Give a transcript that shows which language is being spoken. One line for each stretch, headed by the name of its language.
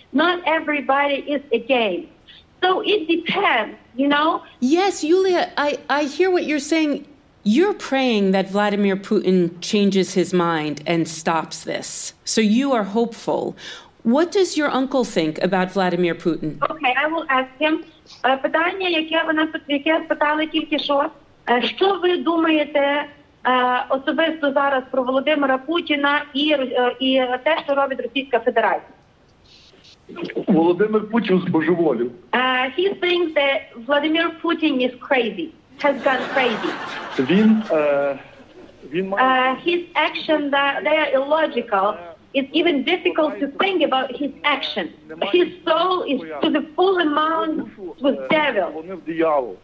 English: Not everybody is against. So it depends, you know? Yes, Yulia, I hear what you're saying. You're praying that Vladimir Putin changes his mind and stops this. So you are hopeful. What does your uncle think about Vladimir Putin? Okay, I will ask him.
Ukrainian: Питання, яке вона тут, яке спитали тільки що. Що ви думаєте особисто зараз про Володимира Путіна і те, що робить Російська Федерація? Володимир Путін збожеволів.
English: He thinks that Vladimir Putin is crazy, has gone crazy. His action, that they are illogical. It's even difficult to think about his action. His soul is to the full amount with devil.